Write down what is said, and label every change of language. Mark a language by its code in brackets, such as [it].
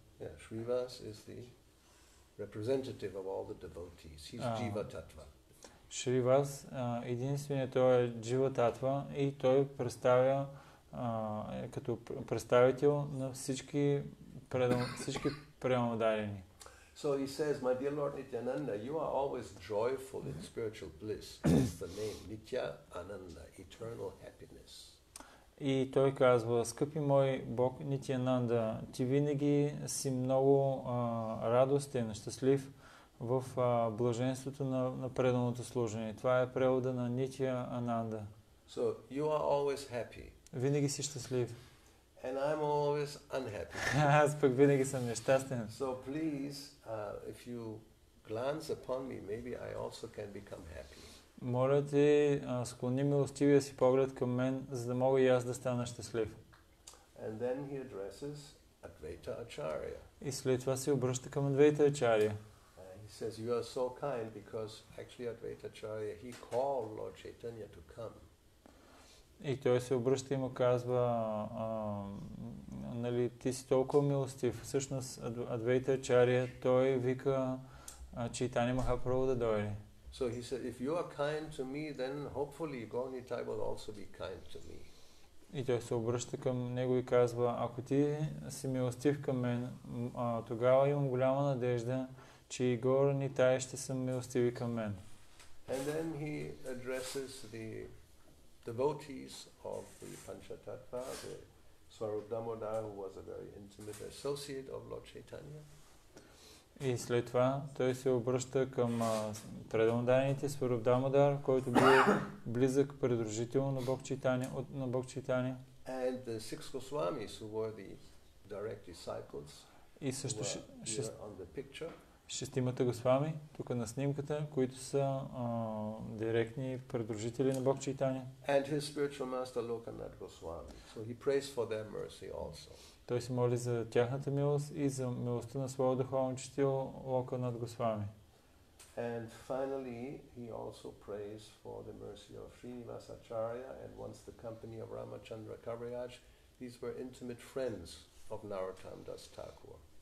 [en] Yeah, Shrivas is the representative of all the devotees. He's Jiva Tattva. [bg] Шривас, единственият той е Джива Татва и той представя като представител на всички преломодарени. [en] So he says, my dear Lord Nityananda, you are always joyful in spiritual bliss. It's the name Nitya Ananda, eternal happiness. [bg] И той казва, скъпи мой Бог Нитиананда, ти винаги си много радостен, щастлив в блаженството на преданото служение. Това е превода на Нитя Ананда. [en] So you are always happy. [bg] Винаги си щастлив. [en] And I'm always unhappy. [bg] Аз пък винаги съм нещастен. [en] So please, if you glance upon me, maybe I also can become happy. [bg] Моля ти, склони милостивия си поглед към мен, за да мога и аз да стана щастлив. [en] And then he addresses Advaita Acharya. [bg] И след това се обръща към Advaita Acharya. [en] He says, you are so kind because actually Advaita Acharya, he called Lord Chaitanya to come. [bg] И той се обръща и му казва, нали, ти си толкова милостив. Всъщност Advaita Acharya, той вика Чайтанья Махапрабху да дойде. [en] So he said, if you are kind to me, then hopefully Gaura Nitai will also be kind to me. [bg] И той се обръща към него и казва, ако ти си милостив към мен, тогава имам голяма надежда, че и Гаура Нитай ще са милостиви към мен. [en] And then he addresses the devotees of the Panchatattva, the Swarup Damodar, who was a very intimate associate of Lord Chaitanya. [bg] И след това той се обръща към предамодарените Swarup Damodar, който бил близък придружител на Бог Чайтанья. [en] And the six Goswamis, who were the direct disciples, [bg] и също [en] were here on the picture. [bg] шестимата госвами, тук на снимката, които са директни придружители на Бог Чайтанья. [en] And his spiritual master Lokanath Goswami. So he prays for their mercy also. [bg] Той се моли за тяхната милост и за милостта на своя духовен учител Локанат Госвами. [en] And finally, he also prays for the mercy of Srinivas Acharya and wants the company of Ramachandra Kaviraj. These were intimate friends of Narottam Das Thakur.